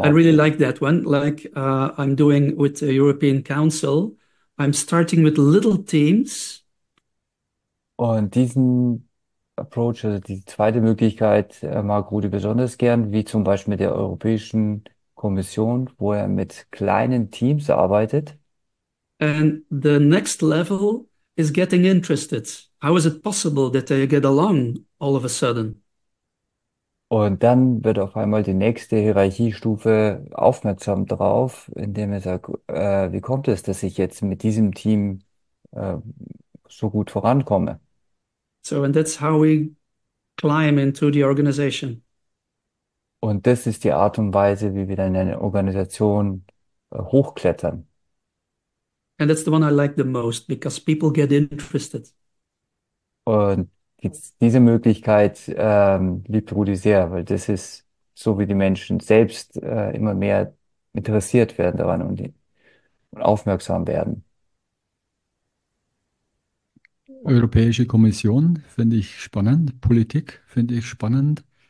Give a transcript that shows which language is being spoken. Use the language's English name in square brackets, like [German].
[English] I really up. like that one. Like I'm doing with the European Council, I'm starting with little teams. [German] Und diesen Approach, also die zweite Möglichkeit, mag Rudi besonders gern, wie zum Beispiel mit der Europäischen Kommission, wo er mit kleinen Teams arbeitet. [English] And the next level is getting interested. How is it possible that they get along all of a sudden? [German] Und dann wird auf einmal die nächste Hierarchiestufe aufmerksam drauf, indem er sagt, wie kommt es, dass ich jetzt mit diesem Team so gut vorankomme? [English] So, and that's how we climb into the organization. [German] Und das ist die Art und Weise, wie wir dann in eine Organisation hochklettern. [English] And that's the one I like the most because people get interested. [German] Und diese Möglichkeit liebt Rudi sehr, weil das ist so, wie die Menschen selbst immer mehr interessiert werden daran und aufmerksam werden. Europäische Kommission finde ich spannend, Politik finde ich spannend.